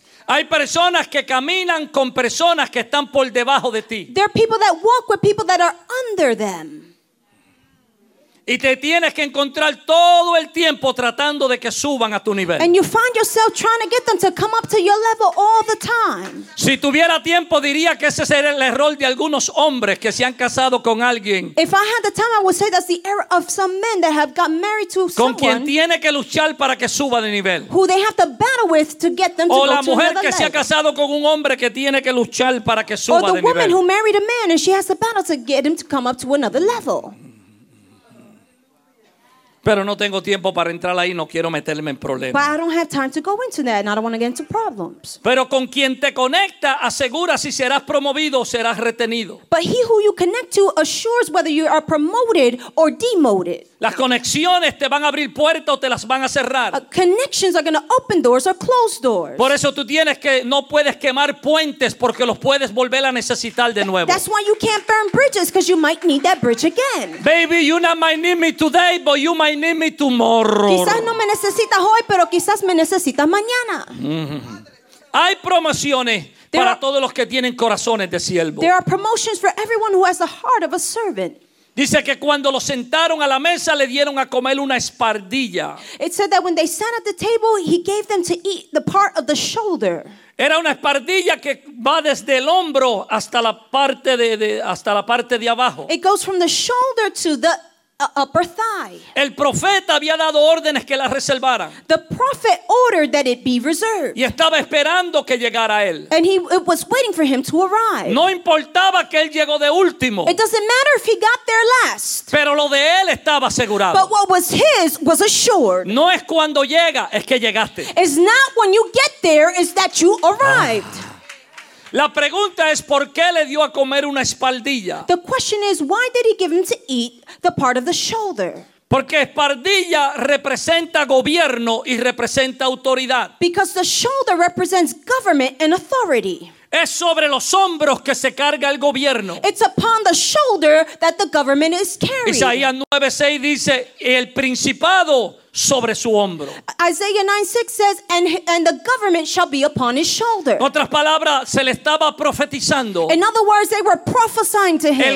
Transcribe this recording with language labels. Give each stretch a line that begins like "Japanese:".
Spanish: Hay personas que caminan con personas que están por debajo de ti.
English: There are people that walk with people that are under them.
Spanish: Y te tienes que encontrar todo el tiempo tratando de que suban a tu nivel.
English: And you find yourself trying to get them to come up to your level all the time.
Spanish: Si tuviera tiempo diría que ese sería el error de algunos hombres que se han casado con alguien.
English: If I had the time I would say that's the error of some men that have gotten married to
Spanish: con
English: someone.
Spanish: Con quien tiene que luchar para que suba de nivel.
English: Who they have to battle with to get them to
Spanish: o
English: go to
Spanish: O la mujer que
English: level.
Spanish: Se ha casado con un hombre que tiene que luchar para que suba
English: or
Spanish: de nivel.
English: Or the woman who married a man and she has to battle to get him to come up to another level.
Spanish: Pero no tengo tiempo para entrar ahí, no quiero meterme en problemas.
English: But I don't have time to go into that, and I don't want to get into problems.
Spanish: Pero con quien te conecta asegura si serás promovido o serás retenido.
English: But he who you connect to assures whether you are promoted or demoted.
Spanish: Las conexiones te van a abrir puertas o te las van a cerrar.
English: Connections are going to open doors or close doors.
Spanish: Por eso tú tienes que no puedes quemar puentes porque los puedes volver a necesitar de nuevo.
English: That's why you can't burn bridges because you might need that bridge again. Baby, you not might need me today, but you might need me tomorrow.
Spanish: Quizás no me necesitas hoy, pero quizás me necesitas mañana. Hay promociones para todos los que tienen corazones de siervo.
English: There are promotions for everyone who has the heart of a servant.
Spanish: Dice que cuando lo sentaron a la mesa le dieron a comer una espardilla.
English: It said that when they sat at the table, he gave them to eat the part of the shoulder.
Spanish: Era una espardilla que va desde el hombro hasta la parte de abajo.
English: It goes from the shoulder to the upper thigh.
Spanish: El profeta había dado órdenes que la reservaran.
English: The prophet ordered that it be reserved.
Spanish: Y estaba esperando que llegara él.
English: And he it was waiting for him to arrive.
Spanish: No importaba que él llegó de último.
English: It doesn't matter if he got there last.
Spanish: Pero lo de él estaba asegurado.
English: But what was his was assured.
Spanish: No es cuando llega, es que llegaste.
English: It's not when you get there, it's that you arrived. Ah.
Spanish: La pregunta es por qué le dio a comer una espaldilla.
English: The question is why did he give him to eat the part of the shoulder?
Spanish: Porque espaldilla representa gobierno y representa autoridad.
English: Because the shoulder represents government and authority.
Spanish: Es sobre los hombros que se carga el gobierno.
English: It's upon the shoulder that the government is carried.
Spanish: Isaías 9:6 dice el principado sobre su hombro.
English: Isaiah 9:6 says and the government shall be upon his shoulder.
Spanish: En otras palabras, se le estaba profetizando.
English: In other words, they were prophesying to him.